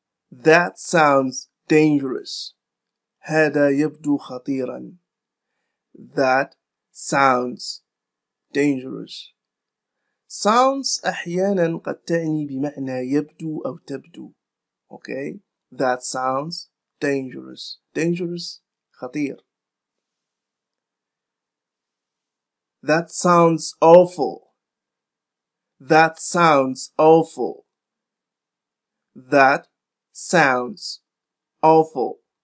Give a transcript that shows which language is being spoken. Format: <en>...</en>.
<en>That sounds dangerous. هذا يبدو خطيرا. That sounds dangerous.</en> <ar>Sounds أحيانا قد تعني بمعنى يبدو أو تبدو.</ar> <en>Okay, that sounds dangerous. Dangerous, خطير. That sounds awful. That sounds awful. That sounds awful.</en>